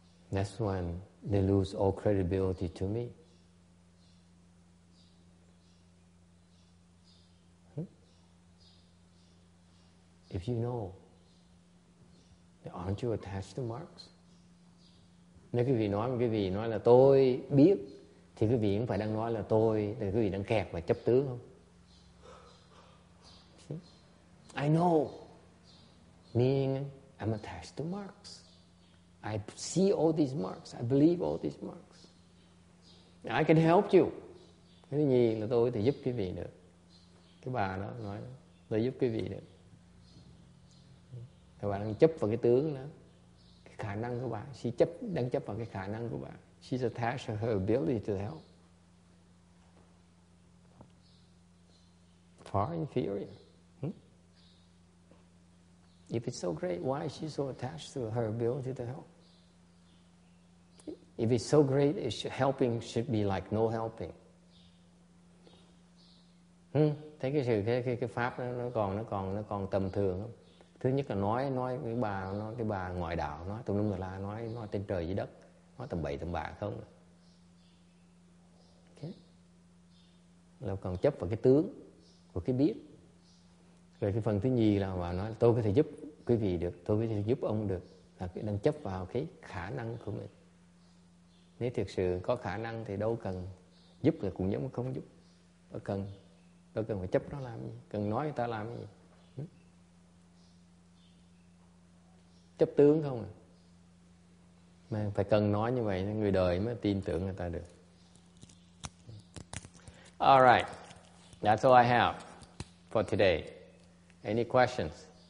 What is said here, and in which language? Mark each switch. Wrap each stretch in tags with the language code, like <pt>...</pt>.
<en>That's when they lose all credibility to me. If you know, aren't you attached to marks?</en> <vi>Nếu quý vị nói, quý vị nói là tôi biết, thì quý vị cũng phải đang nói là tôi, thì quý vị đang kẹt và chấp tướng không?</vi> <en>See? I know, meaning I'm attached to marks. I see all these marks. I believe all these marks. I can help you.</en> <vi>Cái thứ nhì là tôi thì giúp quý vị được. Cái bà đó nói, tôi giúp quý vị được. Cái bà đang chấp vào cái tướng đó. Cái khả năng của bà, she chấp, đang chấp vào cái khả năng của bà.</vi> <en>She's attached to her ability to help. Far inferior. If it's so great, why is she so attached to her ability to help? If it's so great, it should, helping should be like no helping. Hmm?</en> <vi>Thấy cái sự cái pháp nó còn tầm thường không? Thứ nhất là nói cái bà nó cái bà ngoại đạo nói tùm lum tà la nói trên trời dưới đất nói tầm bậy tầm bạ không. Ok. Là còn chấp vào cái tướng của cái biết. Rồi cái phần thứ nhì là bà nói tôi có thể giúp quý vị được, tôi có thể giúp ông được, là cái đang chấp vào cái khả năng của mình. Nếu thực sự có khả năng thì đâu cần giúp thì cũng giống như không giúp. Tôi cần phải chấp nó làm gì, cần nói người ta làm gì. Chấp tướng không à? Mà phải cần nói như vậy, người đời mới tin tưởng người ta được.</vi> <en>All right, that's all I have for today. Any questions?</en>